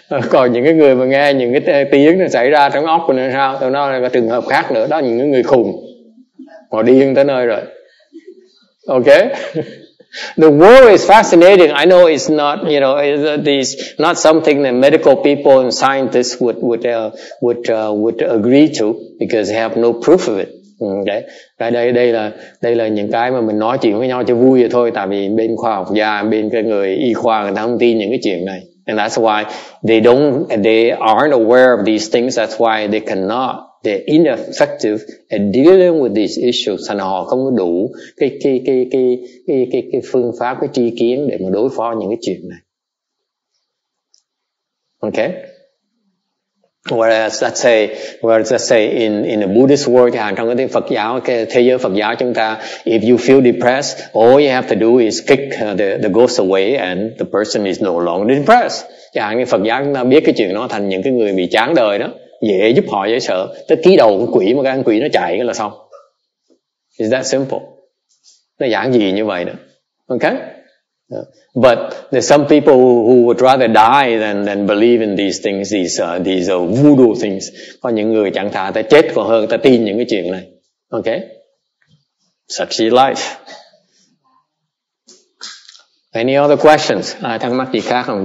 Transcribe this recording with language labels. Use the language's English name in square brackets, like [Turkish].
[Vietnamese] Còn những cái người mà nghe những cái tiếng nó xảy ra trong óc của nó sao, tụi nó là cái trường hợp khác nữa đó, những cái người khùng họ điên tới nơi rồi. Ok. [English] The world is fascinating. I know it's not, you know, it's not something that medical people and scientists would agree to because they have no proof of it. [Vietnamese] Okay. Đây là những cái mà mình nói chuyện với nhau cho vui vậy thôi, tại vì bên khoa học gia, bên cái người y khoa người ta không tin những cái chuyện này. [English] And that's why they aren't aware of these things. That's why they cannot. They're ineffective at dealing with these issues. [Vietnamese] Thành họ không có đủ cái phương pháp, cái tri kiến để mà đối phó những cái chuyện này. [English] Okay. Whereas let's say in the Buddhist world, [Vietnamese] trong cái Phật giáo, cái thế giới Phật giáo chúng ta, [English] if you feel depressed, all you have to do is kick the ghost away and the person is no longer depressed. [Vietnamese] Chẳng như Phật giáo chúng ta biết cái chuyện nó thành những cái người bị chán đời đó. Dễ giúp họ dễ sợ. Tới ký đầu con quỷ mà cái quỷ nó chạy là xong. [English] Is that simple? [Vietnamese] Nó giản dị như vậy đó. Okay? [English] But there's some people who would rather die than believe in these things, these voodoo things. [Vietnamese] Có những người chẳng thà ta chết còn hơn ta tin những cái chuyện này. [English] Okay? Such is life. Any other questions? [Vietnamese] Ai thắc mắc gì khác không?